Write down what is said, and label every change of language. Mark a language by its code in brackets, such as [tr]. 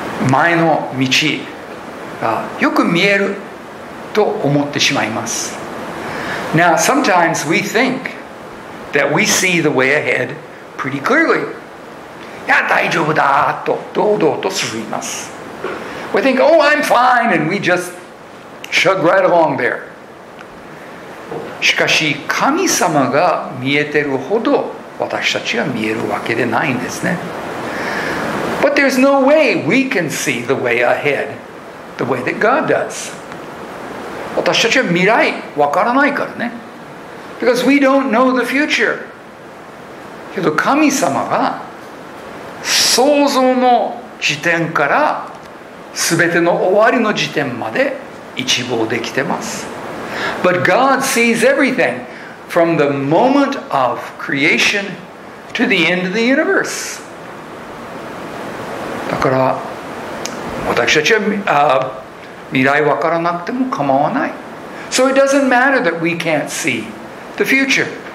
[ja] 前の道がよく見えると思ってしまいます。 [en] Now, sometimes we think that we see the way ahead pretty clearly. [ja] Yeah, 大丈夫だと堂々と進みます。 [en] We think, oh, I'm fine, and we just chug right along there. [ja] しかし、神様が見えてるほど私たちは見えるわけでないんですね。 [en] But there's no way we can see the way ahead the way that God does. [ja] 私たちは未来わからないからね。 [en] Because we don't know the future. [ja] けど神様が創造の時点から全ての終わりの時点まで一望できてます。 [en] But God sees everything from the moment of creation to the end of the universe. [ja] だから私たちは、未来わからなくても構わない。 [en] So it doesn't matter that we can't see the future.